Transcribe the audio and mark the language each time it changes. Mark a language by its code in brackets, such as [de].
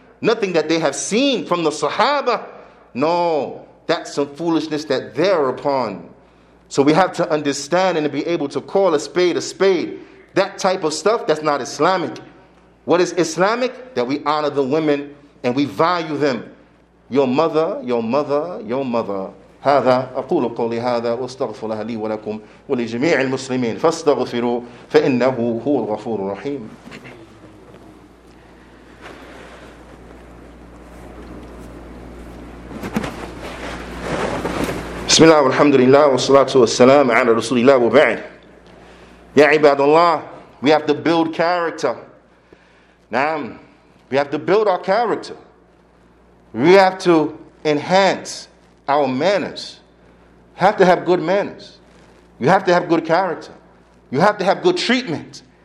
[en] Nothing that they have seen from the Sahaba. No, that's some foolishness that they're upon. So we have to understand and to be able to call a spade a spade. That type of stuff, that's not Islamic. What is Islamic? That we honor the women and we value them. Your mother. [ar] هذا أقول قولي هذا واستغفر الله لي ولكم ولجميع المسلمين فاستغفروا فإنه هو الغفور الرحيم. بسم الله والحمد لله والصلاة والسلام على رسول الله وبعد. يا عباد الله, [en] we have to build character. [ar] نعم, [en] we have to build our character. We have to enhance our manners. Have to have good manners. You have to have good character. You have to have good treatment.